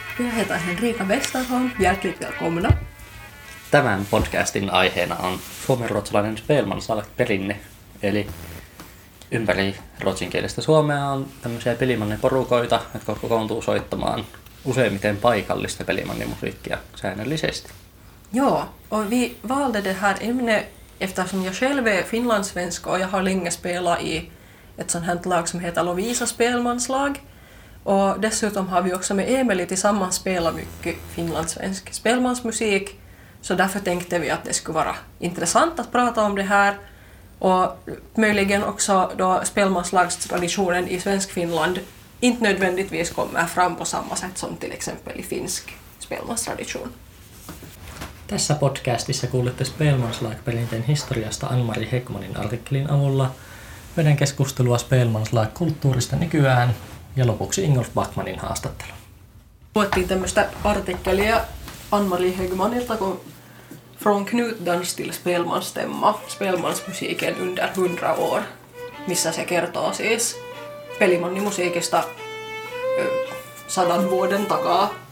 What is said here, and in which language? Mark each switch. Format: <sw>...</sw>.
<fi>Ja heitä Henriika Westerholm, jälkikomuna. Tämän podcastin aiheena on suomenruotsalainen Spelmansalk-perinne. Eli ympäri ruotsinkielistä Suomea on tämmöisiä pelimanniporukoita, jotka kokoontuu soittamaan useimmiten paikallista pelimannimusiikkia säännöllisesti.</fi> <sv>Joo, och vi valde det här ämnet eftersom jag själv är finlandssvensk och jag har länge spelat i ett sånt här lag som heter Lovisa spelmanslag. Och dessutom har vi också med Emelie tillsammans spelat mycket finlandssvensk spelmansmusik. Så därför tänkte vi att det skulle vara intressant att prata om det här. Och möjligen också då spelmanslagstraditionen i svensk Finland inte nödvändigtvis kommer fram på samma sätt som till exempel i finsk spelmanstradition.</sv> <fi>Tässä podcastissa kuulette Spelmanslag-perinteen historiasta Ann-Mari Heckmanin artikkelin avulla, meidän keskustelua Spelmanslag-kulttuurista nykyään ja lopuksi Ingolf Backmanin haastattelu. Luettiin tämmöistä artikkelia Ann-Mari Heckmanilta, kun From Knutdans till Spelmansstämma, Spelmansmusiken under 100 år, missä se kertoo siis pelimannimusiikista 100 vuoden takaa.</fi>